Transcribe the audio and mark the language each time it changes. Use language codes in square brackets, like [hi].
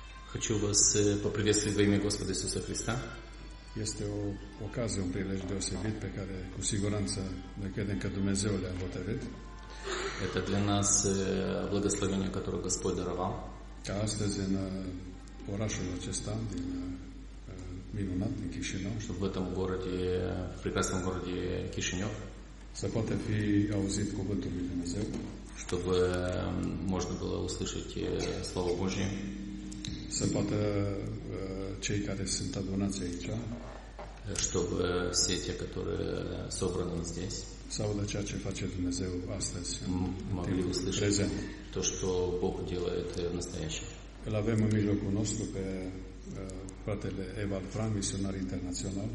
[ru] Хочу вас поприветствовать во имя Господа Иисуса Христа. [ro] Este o ocazie, un prilej deosebit pe care cu siguranță noi credem că Dumnezeu le-a hotărât. [ru] Это для нас благословение, которое Господь даровал. [ro] Ca astăzi în orașul acesta din minunat din Chișinău, [ru] чтобы в этом городе, в прекрасном городе Кишинев, [ro] să poată fi auzit cuvântul lui Dumnezeu, [ru] чтобы можно было услышать Слово Божие. [ro] Să poată cei care sunt adunați aici, [ru] чтобы все те, которые собраны здесь, [ro] să audă ceea ce face Dumnezeu astăzi, [ru] могли услышать то, что Бог делает в настоящем. [ro] Îl avem în mijlocul nostru pe fratele Evald Fram, misionar internațional.